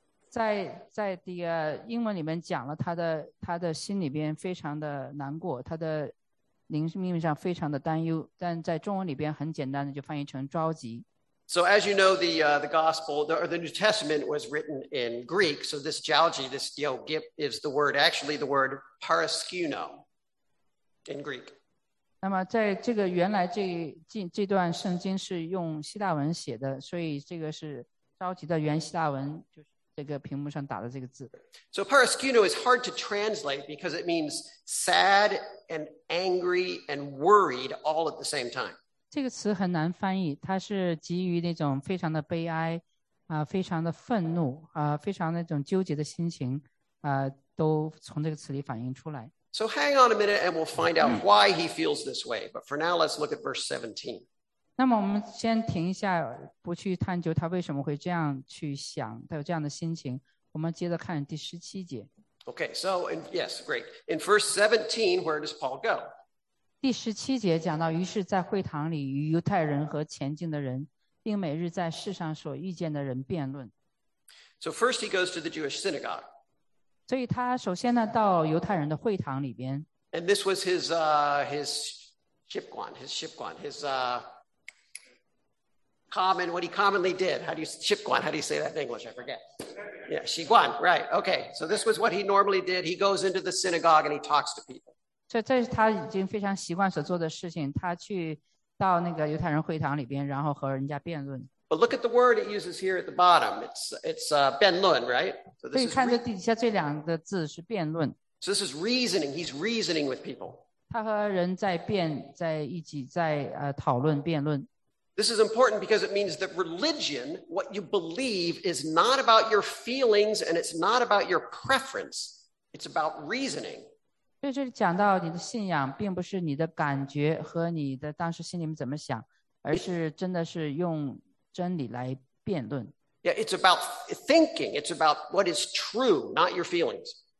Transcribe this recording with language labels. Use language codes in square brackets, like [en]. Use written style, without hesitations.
[zh] 在 the 英文里面讲了他的心里边非常的难过，他的灵命上非常的担忧，但在中文里边很简单的就翻译成着急。 [en] So as you know, the gospel, the New Testament was written in Greek. So this jalgi, this diogip, is the word, actually the word paraskuno in Greek. [zh] 那么在这个原来 这段圣经是用希腊文写的，所以这个是着急的原希腊文，就是这个屏幕上打的这个字。 [en] So paraskuno is hard to translate because it means sad and angry and worried all at the same time. [zh] 这个词很难翻译，它是基于那种非常的悲哀，非常的愤怒，非常那种纠结的心情，都从这个词里反映出来。 [en] So hang on a minute and we'll find out why he feels this way. But for now, let's look at verse 17. [zh] 那么我们先停一下，不去探究他为什么会这样去想，他有这样的心情。我们接着看第十七节。 [en] Okay, so in, yes, great. In verse 17, where does Paul go? [zh] 第十七节讲到，于是在会堂里与犹太人和前进的人，并每日在世上所遇见的人辩论。 [en] So first he goes to the Jewish synagogue. [zh] 所以他首先呢到犹太人的会堂里边。 [en] And this was his what he commonly did. How do you shipguan? How do you say that in English? I forget. Yeah, shiguan. Right. Okay. So this was what he normally did. He goes into the synagogue and he talks to people. [zh] 所以这是他已经非常习惯所做的事情，他去到那个犹太人会堂里边，然后和人家辩论。 [en] But look at the word it uses here at the bottom. It's 辩论 right? So this [zh] 所以看这底下这两个字是辩论。 [en] So this is reasoning. He's reasoning with people. [zh] 他和人在辩，在一起在讨论辩论。 [en] This is important because it means that religion, what you believe, is not about your feelings and it's not about your preference. It's about reasoning. [zh] 所以这里讲到你的信仰并不是你的感觉和你的当时心里面怎么想，而是真的是用真理来辩论。 [en] Yeah, it's about thinking. It's about what is true, not your feelings.